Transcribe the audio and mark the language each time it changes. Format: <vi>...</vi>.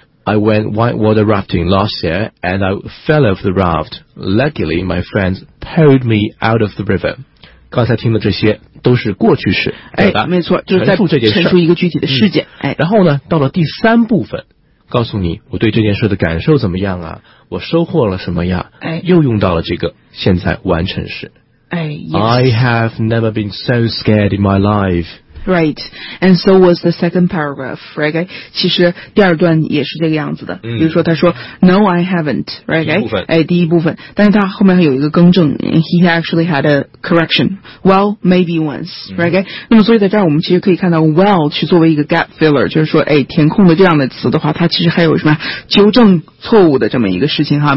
<en>I went whitewater rafting last year and I fell off the raft. Luckily, my friends pulled me out of the river.</en> <zh>刚才听的这些都是过去式，哎，没错，就是在陈述一个具体的事件、哎、然后呢到了第三部分，告诉你我对这件事的感受怎么样啊，我收获了什么呀、哎、又用到了这个现在完成式、</zh> <en>哎 yes. I have never been so scared in my life Right, and so was the second paragraph, right?</en> <zh>其实第二段也是这个样子的。嗯、比如说他说 ,</zh> <en>No, I haven't, right?</en> <zh>第一部分。哎，第一部分。但是他后面还有一个更正 ,</zh> <en>He actually had a correction. Well, maybe once,、嗯、right?</en> <zh>那么所以在这儿我们其实可以看到 well 去作为一个 gap filler, 就是说哎，填空的这样的词的话，它其实还有什么纠正错误的这么一个事情哈。</zh>